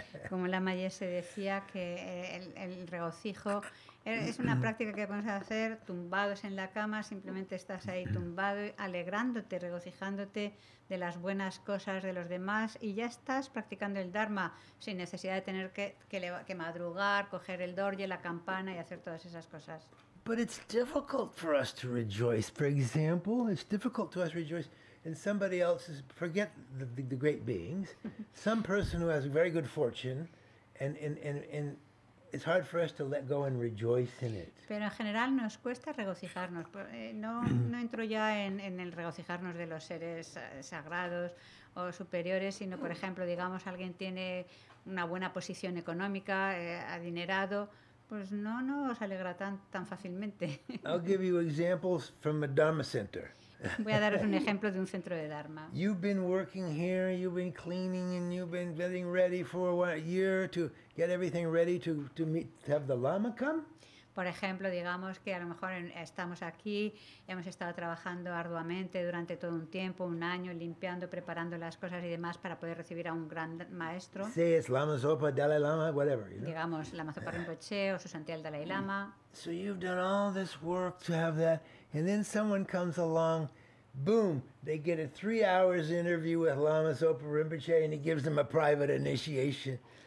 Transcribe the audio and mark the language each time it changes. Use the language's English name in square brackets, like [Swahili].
[Spanish] Como la Maya se decía que el regocijo es una práctica que podemos hacer tumbados en la cama, simplemente estás ahí tumbado, alegrándote, regocijándote de las buenas cosas de los demás y ya estás practicando el Dharma sin necesidad de tener que madrugar, coger el Dorje, la campana y hacer todas esas cosas. [English] But it's difficult for us to rejoice. For example, it's difficult to us rejoice in somebody else's, forget the great beings, some person who has very good fortune and it's hard for us to let go and rejoice in it. [Spanish] Pero en general nos cuesta regocijarnos. No entro ya en el regocijarnos de los seres sagrados o superiores, sino, por ejemplo, digamos, alguien tiene una buena posición económica, adinerado, pues no nos alegra tan fácilmente. [English] I'll give you examples from a Dharma center. [Spanish] Voy a daros un ejemplo de un centro de Dharma. [English] You've been working here, you've been cleaning, and you've been getting ready for a year to get everything ready to meet, to have the Lama come. [Spanish] Por ejemplo, digamos que a lo mejor estamos aquí, hemos estado trabajando arduamente durante todo un tiempo, un año, limpiando, preparando las cosas y demás para poder recibir a un gran maestro. [English] Say it's Lama Zopa, Dalai Lama, whatever. You know? [Spanish] Digamos, Lama Zopa Rinpoche o su santidad el Dalai Lama. [English] So you've done all this work to have that. And then someone comes along, boom, they get a 3 hours interview with Lama Zopa Rinpoche and he gives them a private initiation.